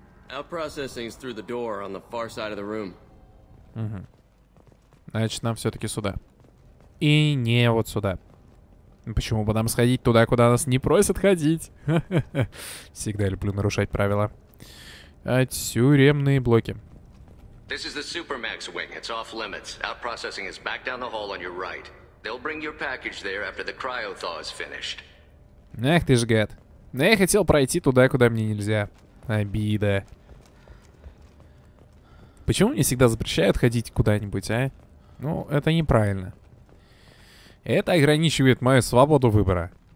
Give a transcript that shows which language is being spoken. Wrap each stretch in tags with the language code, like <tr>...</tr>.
<en>Our processing is through the door on the far side of the room. Угу.</en> <ru>Значит, нам все-таки сюда. И не вот сюда. Почему бы нам сходить туда, куда нас не просят ходить? Всегда люблю нарушать правила. Тюремные блоки.</ru> <en>This is the Supermax wing. It's off limits. Our processing is back down the hall on your right. They'll bring your package there after the cryothaw is finished.</en> <ru>Эх ты ж гад. Но я хотел пройти туда, куда мне нельзя. Обида. Почему мне всегда запрещают ходить куда-нибудь, а? Ну, это неправильно. Это ограничивает мою свободу выбора.</ru>